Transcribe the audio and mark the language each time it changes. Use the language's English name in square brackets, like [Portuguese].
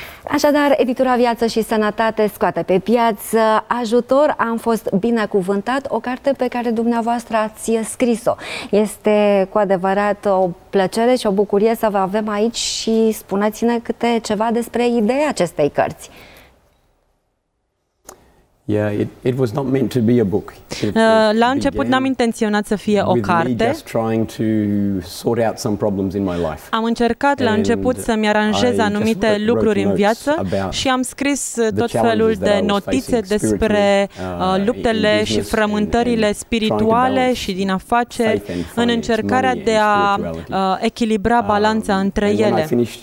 [Romanian] Așadar, editura Viață și Sănătate scoate pe piață Ajutor, am fost binecuvântat, o carte pe care dumneavoastră ați scris-o. Este cu adevărat o plăcere și o bucurie să vă avem aici și spuneți-ne câte ceva despre ideea acestei cărți. [English] Yeah, it was not meant to be a book. [Romanian] La început n-am intenționat să fie o carte. [English] Just trying to sort out some problems in my life. [Romanian] Am încercat la început să-mi aranjez anumite lucruri în viață și am scris tot felul de notițe despre luptele și frământările spirituale și din afaceri, în încercarea de a echilibra balanța între ele.